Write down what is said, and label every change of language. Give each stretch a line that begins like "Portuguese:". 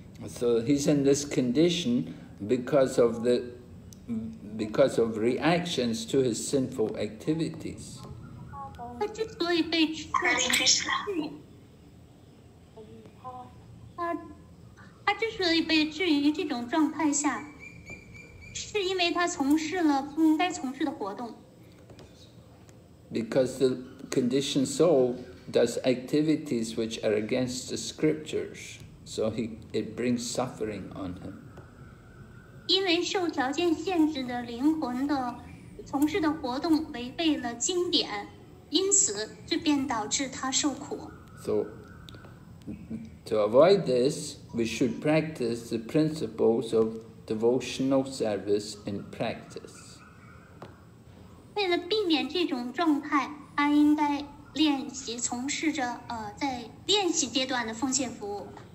English: So he's in this condition because of reactions to his sinful activities.
Chinese: 他之所以被吃他之所以被置于这种状态下，是因为他从事了不应该从事的活动。
English: Because the conditioned soul does activities which are against the scriptures, so it brings suffering on him.
Chinese: 因为受条件限制的灵魂的从事的活动违背了经典，因此就便导致他受苦。
English: So, to avoid this, we should practice the principles of devotional service in practice.
Chinese: 为了避免这种状态，他应该练习从事着在练习阶段的奉献服务。